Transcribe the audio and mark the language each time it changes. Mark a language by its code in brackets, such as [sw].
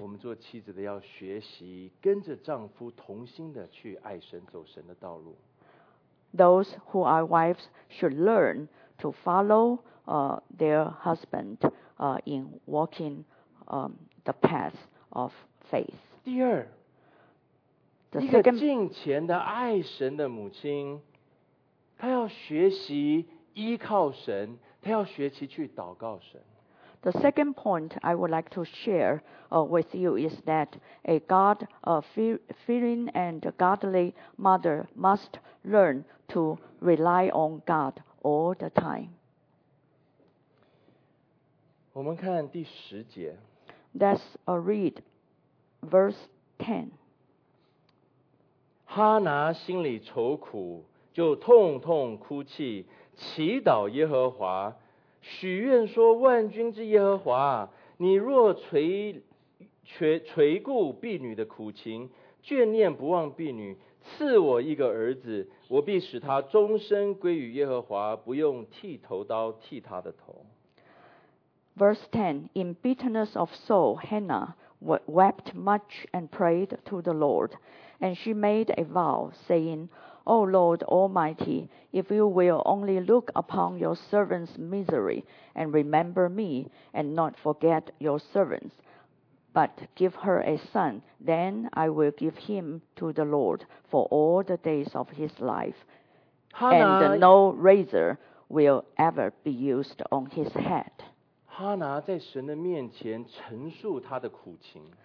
[zh] 我们做妻子的要学习跟着丈夫同心的去爱神，走神的道路。 [en] Those who are wives should learn to follow their husband in walking the path of faith. [zh] 第二，一个敬虔的爱神的母亲，她要学习依靠神，她要学习去祷告神。 [en] The second point I would like to share with you is that a God fearing and godly mother must learn to rely on God all the time. [zh] 我们看第十节。 [en] Let's read verse 10. [zh] 哈拿心里愁苦，就痛痛哭泣，祈祷耶和华，许愿说：万军之耶和华，你若垂顾婢女的苦情，眷念不忘婢女，赐我一个儿子，我必使他终身归于耶和华，不用剃头刀剃他的头。 [en] Verse 10, in bitterness of soul, Hannah wept much and prayed to the Lord. And she made a vow, saying, O Lord Almighty, if you will only look upon your servant's misery and remember me and not forget your servants, but give her a son, then I will give him to the Lord for all the days of his life. And no razor will ever be used on his head. [zh] Hannah 在神的面前陈述她的苦情。